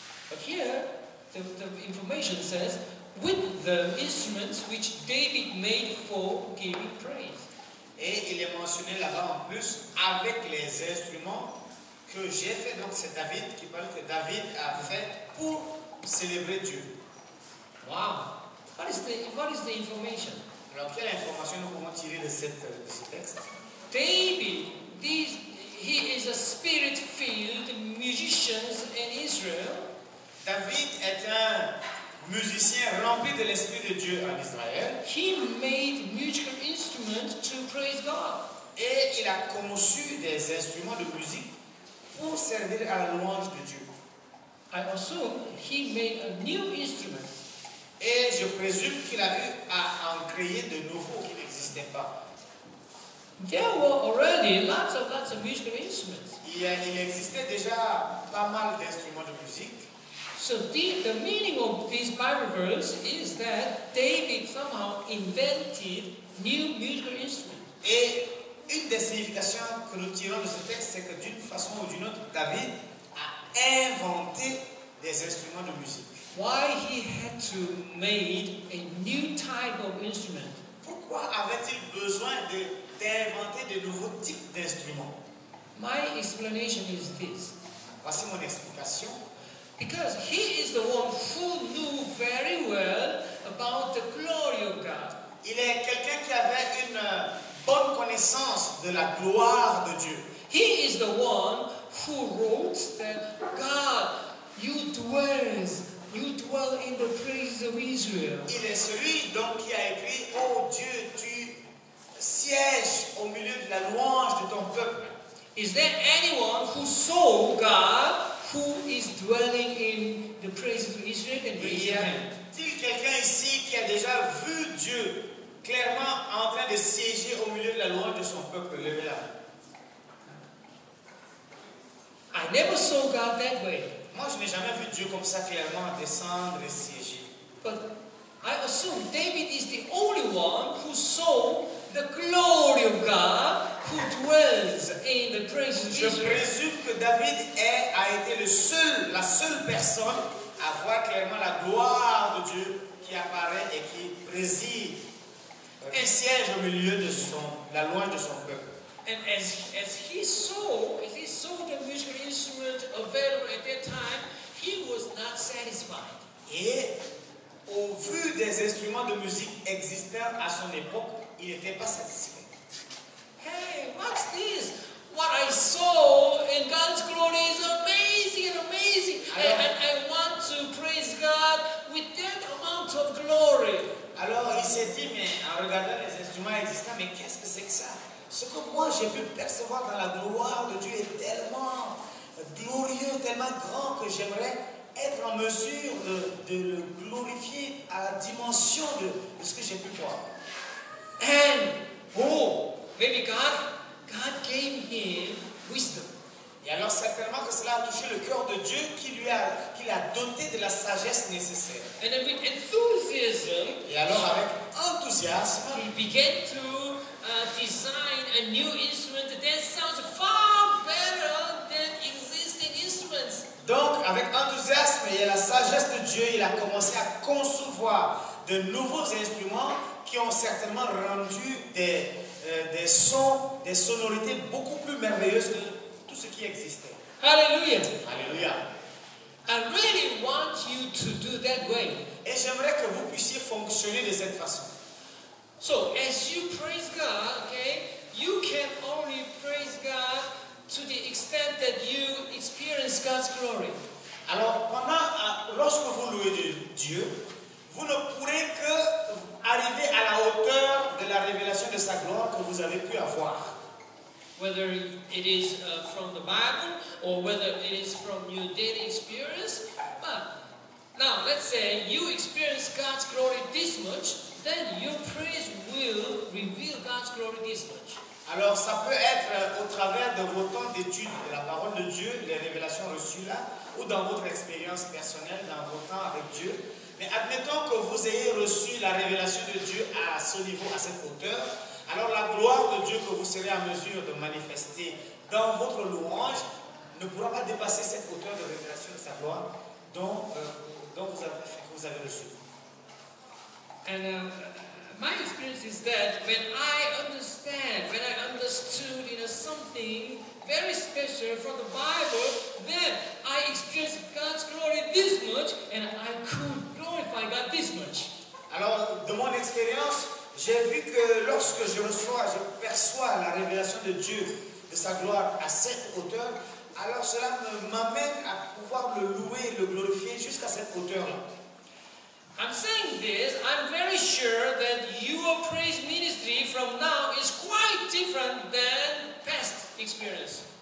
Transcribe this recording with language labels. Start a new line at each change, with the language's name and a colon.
English: But here, the information says, with the instruments which David made for giving praise.
French: Et il est mentionné là-bas en plus, avec les instruments que j'ai fait. Donc c'est David qui parle que David a fait pour célébrer Dieu. Wow!
English: What is the information?
French: Alors quelle information nous pouvons tirer de ce texte?
English: David, he is a spirit-filled musician in Israel.
French: David est un musicien rempli de l'Esprit de Dieu en Israël.
English: He made musical instruments to praise God.
French: Et il a conçu des instruments de musique pour servir à la louange de Dieu.
English: I assume he made a new instrument.
French: Et je présume qu'il a eu à en créer de nouveaux qui n'existaient pas.
English: There were already lots of musical instruments.
French: Il existait déjà pas mal d'instruments de musique.
English: So the meaning of this Bible verse is that David somehow invented new musical instruments.
French: Et une des significations que nous tirons de ce texte, c'est que d'une façon ou d'une autre, David a inventé des instruments de musique.
English: Why he had to make a new type of instrument?
French: Pourquoi avait-il besoin d'inventer de nouveaux types d'instruments?
English: My explanation is this.
French: Voici mon explication.
English: Because he is the one who knew very well about the glory of God.
French: Il est quelqu'un qui avait une bonne connaissance de la gloire de Dieu.
English: He is the one who wrote that God, you dwell in the praises of Israel.
French: Il est celui donc qui a écrit, oh Dieu, tu sièges au milieu de la louange de ton peuple.
English: Is there anyone who saw God? Who is dwelling in the praises of Israel and raising his hand?
French: Y a-t-il quelqu'un ici qui a déjà vu Dieu clairement en train de siéger au milieu de la louange de son peuple? Levez la
English: main. I never saw God that way.
French: Moi, je n'ai jamais vu Dieu comme ça clairement descendre et siéger.
English: But I assume David is the only one who saw the glory of God. Who dwells in the praises of Israel.
French: Je présume que David a été la seule personne à voir clairement la gloire de Dieu qui apparaît et qui préside et siège au milieu de la louange de son peuple.
English: And as he saw the musical instrument available at that time, he was not satisfied.
French: Et au vu des instruments de musique existants à son époque, il n'était pas satisfait.
English: Hey, what's this? What I saw in God's glory is amazing. I want to praise God with that amount of glory.
French: Alors il s'est dit, mais en regardant les instruments existants, mais qu'est-ce que c'est que ça? Ce que moi j'ai pu percevoir dans la gloire de Dieu est tellement glorieux, tellement grand que j'aimerais être en mesure de le glorifier à la dimension de ce que j'ai pu voir.
English: And oh, maybe God gave him wisdom.
French: Et alors certainement que cela a touché le cœur de Dieu qui l'a doté de la sagesse nécessaire.
English: And with enthusiasm,
French: et alors avec enthousiasme,
English: he began to design a new instrument that sounds far better than existing instruments.
French: Donc avec enthousiasme et la sagesse de Dieu, il a commencé à concevoir de nouveaux instruments qui ont certainement rendu des sons, des sonorités beaucoup plus merveilleuses que tout ce qui existait. Alléluia. Alléluia.
English: I really want you to do that way.
French: Et j'aimerais que vous puissiez fonctionner de cette façon.
English: So as you praise God, okay, you can only praise God to the extent that you experience God's glory.
French: Alors pendant lorsque vous louez Dieu, vous ne pourrez que arriver à la hauteur de la révélation de sa gloire que vous avez pu avoir.
English: Whether it is from the Bible or whether it is from your daily experience, but now let's say you experience God's glory this much, then your praise will reveal God's glory this much.
French: Alors ça peut être au travers de vos temps d'étude de la parole de Dieu, les révélations reçues là, ou dans votre expérience personnelle, dans vos temps avec Dieu. Mais admettons que vous ayez reçu la révélation de Dieu à ce niveau, à cette hauteur, alors la gloire de Dieu que vous serez en mesure de manifester dans votre louange ne pourra pas dépasser cette hauteur de révélation de sa gloire dont vous avez reçu.
English: And my experience is that when I understand, when I understood, you know, something very special from the Bible, then I experienced God's glory this much, and I could glorify God this much.
French: Alors, de mon expérience, j'ai vu que lorsque je perçois la révélation de Dieu, de sa gloire à cette hauteur, alors cela m'amène à pouvoir le louer, le glorifier jusqu'à cette hauteur-là.
English: I'm saying this, I'm very sure that your praise ministry from now is quite different than past experience.